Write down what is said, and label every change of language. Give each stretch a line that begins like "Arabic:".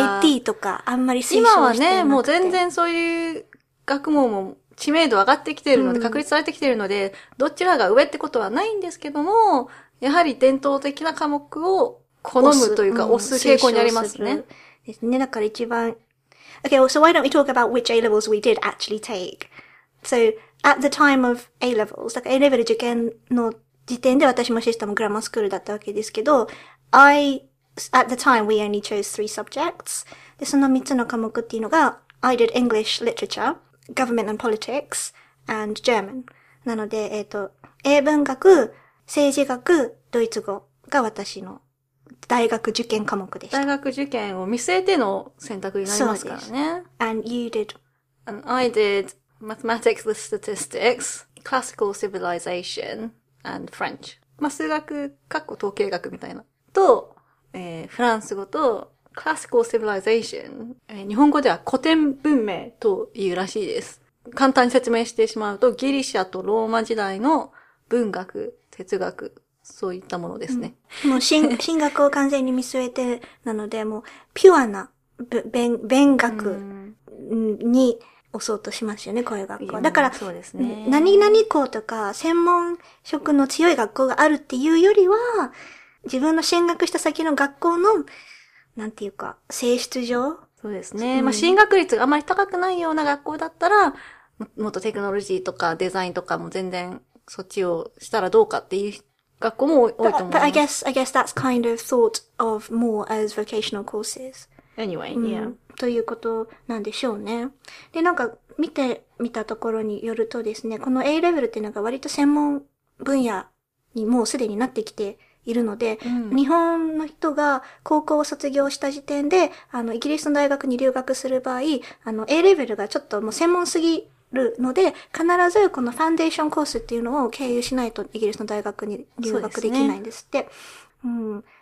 Japanese: うん、IT とか、あんまり推奨してなくて。今はね、もう全然そういう、学問も知名度上がってきているので、確立されてきているので、うん、どちらが上ってことはないんですけども、やはり伝統的な科目を好むというか、推す傾向にありますね。ですね。だから一番。
English: Okay, well, so why don't we talk about which A-levels we did actually take? So, at the time of A-levels, like A-level
Japanese: 受験の時点で私もシステムグラマースクールだったわけですけど、
English: at the time we only chose three subjects. で、
Japanese: その三つの科目っていうのが、
English: I did English literature, government and politics, and German.
Japanese: なので、英文学、政治学、ドイツ語が私の大学受験科目でした。大学受験を見据えての選択になりますからね。
English: And you did? And I did mathematics with statistics, classical civilization, and French.
Japanese: まあ、数学、括弧統計学みたいな。と、フランス語と、Classical civilization. 日本語では古典文明というらしいです。簡単に説明してしまうと、ギリシャとローマ時代の文学、哲学、そういったものですね。うん、もう進学を完全に見据えてなので、もうピュアな勉学に押そうとしますよね、こういう学校。だから、そうですね、何校とか専門職の強い学校があるっていうよりは、自分の進学した先の学校のなんていうか、性質上そうですね。うん、まあ、進学率があまり高くないような学校だったら、もっとテクノロジーとかデザインとかも全然そっちをしたらどうかっていう学校も多いと思います。
English: But I guess that's kind of thought of more as vocational courses. Anyway, yeah.、
Japanese: うん、ということなんでしょうね。で、なんか見てみたところによるとですね、この A レベルっていうのが割と専門分野にもうすでになってきて、いるので、うん、日本の人が高校を卒業した時点で、イギリスの大学に留学する場合、A レベルがちょっともう専門すぎるので、必ずこのファンデーションコースっていうのを経由しないとイギリスの大学に留学できないんですって。そうですね。うん。